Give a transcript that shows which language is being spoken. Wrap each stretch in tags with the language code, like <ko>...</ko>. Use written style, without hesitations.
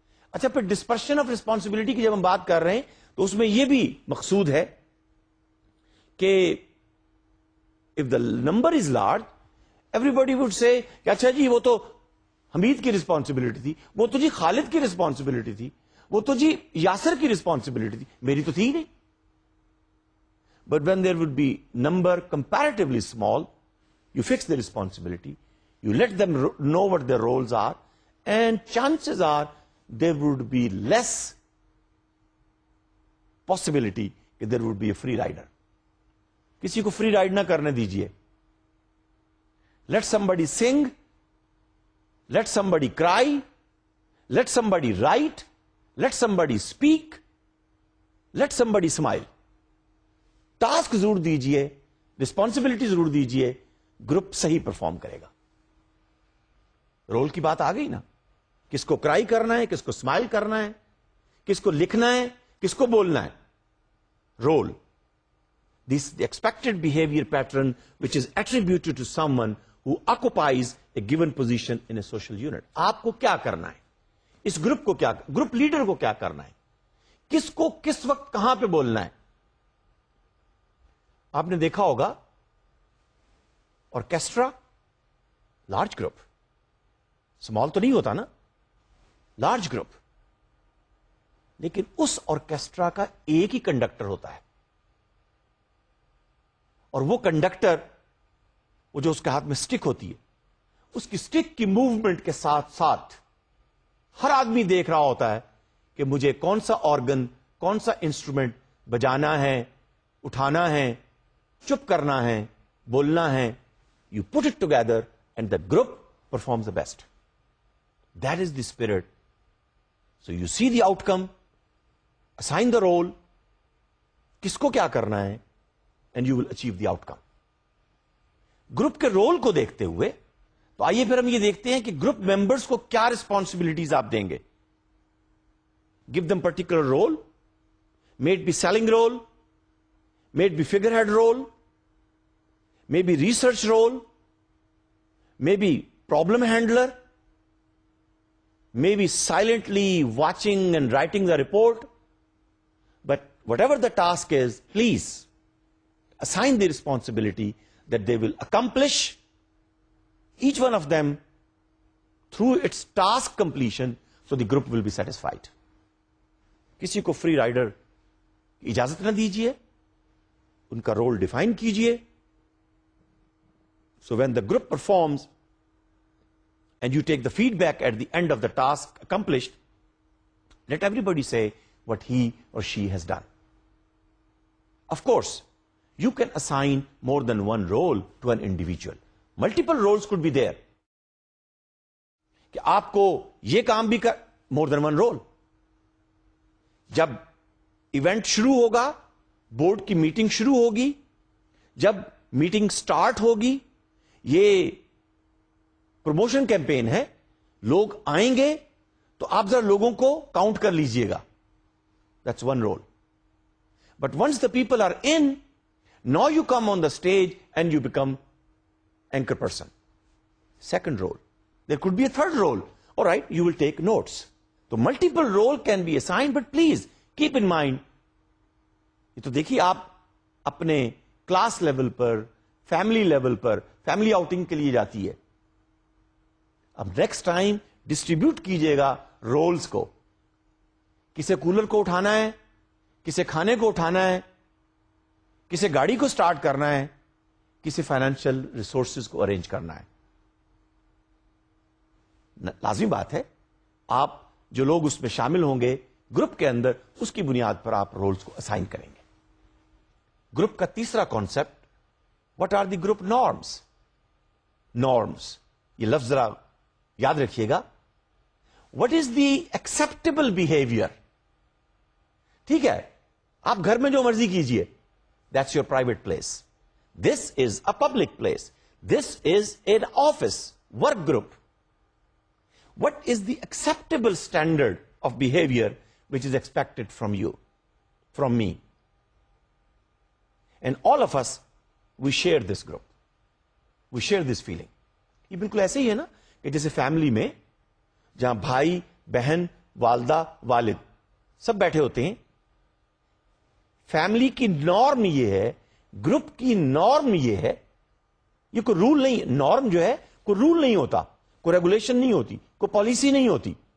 <ur>اچھا پھر dispersion of responsibility کی جب ہم بات کر رہے ہیں تو اس میں یہ بھی مقصود ہے کہ</ur> <en>if the number is large everybody would say</en> <ur>کہ اچھا جی وہ تو حمید کی ریسپانسبلٹی تھی, وہ تو جی خالد کی ریسپانسبلٹی تھی, وہ تو جی یاسر کی ریسپانسبلٹی تھی, میری تو تھی ہی نہیں.</ur> <en>But when there would be number comparatively small, you fix the responsibility, you let them know what their rules are, and chances are there would be less possibility کہ there would be a free rider.</en> <ur>کسی کو free ride نہ کرنے دیجیے.</ur> <en>Let somebody sing, let somebody cry, let somebody write, let somebody speak, let somebody smile.</en> <ur>Task ضرور دیجئے, responsibility ضرور دیجئے, group صحیح perform کرے گا. رول کی بات آ گئی نا, کس کو cry کرنا ہے, کس کو smile کرنا ہے, کس کو لکھنا ہے, کس کو بولنا ہے, role.</ur> <en>This the expected behavior pattern which is attributed to someone who occupies a given position in a social unit.</en> <ur>آپ کو کیا کرنا ہے اس گروپ کو, کیا گروپ لیڈر کو کیا کرنا ہے, کس کو کس وقت کہاں پہ بولنا ہے. آپ نے دیکھا ہوگا آرکیسٹرا لارج گروپ, اسمال تو نہیں ہوتا نا, لارج گروپ. لیکن اس آرکیسٹرا کا ایک ہی کنڈکٹر ہوتا ہے اور وہ کنڈکٹر جو اس کے ہاتھ میں سٹک ہوتی ہے, اس کی سٹک کی موومنٹ کے ساتھ ساتھ ہر آدمی دیکھ رہا ہوتا ہے کہ مجھے کون سا آرگن, کون سا انسٹرومنٹ بجانا ہے, اٹھانا ہے, چپ کرنا ہے, بولنا ہے.</ur> <en>You put it together and the group performs the best. That is the spirit. So you see the outcome, assign the role,</en> <ur>کس کو کیا کرنا ہے,</ur> <en>And you will achieve the outcome.</en> <ur>Group کے role کو دیکھتے ہوئے تو آئیے پھر ہم یہ دیکھتے ہیں کہ گروپ ممبرس کو کیا ریسپانسبلٹیز آپ دیں گے.</ur> <en>Give them particular role, might be selling role, might be figurehead role, may be research role, may be problem handler, may be silently watching and writing the report. But whatever the task is, please assign the responsibility that they will accomplish, each one of them, through its task completion, so the group will be satisfied.</en> <ur>Kisi ko free rider ijazat na dijiye, unka role define kijiye.</ur> <en>So when the group performs, and you take the feedback at the end of the task accomplished, let everybody say what he or she has done. Of course, you can assign more than one role to an individual. Multiple roles could be there.</en> <ur>کہ آپ کو یہ کام بھی کر,</ur> <en>more than one role.</en> <ur>جب event شروع ہوگا, board کی meeting شروع ہوگی, جب meeting start ہوگی, یہ promotion campaign ہے, لوگ آئیں گے تو آپ ذرا لوگوں کو count کر لیجئے گا.</ur> <en>That's one role. But once the people are in, now you come on the stage and you become anchor person. Second role. There could be a third role. All right, you will take notes. So multiple role can be assigned, but please keep in mind.</en> <ur>To dekhi aap apne class level par, family level par, family outing ke liye jaati hai. Ab next time distribute کیجئے گا rules کو، کسے cooler کو اٹھانا ہے، کسے کھانے کو اٹھانا ہے، کسے گاڑی کو سٹارٹ کرنا ہے، کسے فائنینشل ریسورسز کو ارینج کرنا ہے. لازمی بات ہے آپ جو لوگ اس میں شامل ہوں گے گروپ کے اندر، اس کی بنیاد پر آپ رولز کو اسائن کریں گے. گروپ کا تیسرا concept,</ur> <en>What are the group norms.</en> <ur>Norms یہ لفظ ذرا یاد رکھیے گا.</ur> <en>What is the acceptable behaviour.</en> <ur>ٹھیک ہے آپ گھر میں جو مرضی کیجئے،</ur> <en>That's your private place. This is a public place, this is an office work group. What is the acceptable standard of behavior which is expected from you, from me? And all of us, we share this group. We share this feeling.</en> <ur>یہ بالکل ایسے ہی ہے نا کہ جیسے family میں جہاں بھائی بہن والدہ والد سب بیٹھے ہوتے ہیں، فیملی کی نارم یہ ہے، گروپ کی نارم یہ ہے. یہ کوئی رول نہیں، نارم جو ہے کوئی رول نہیں ہوتا، کوئی ریگولیشن نہیں ہوتی، کوئی پالیسی نہیں ہوتی.</ur>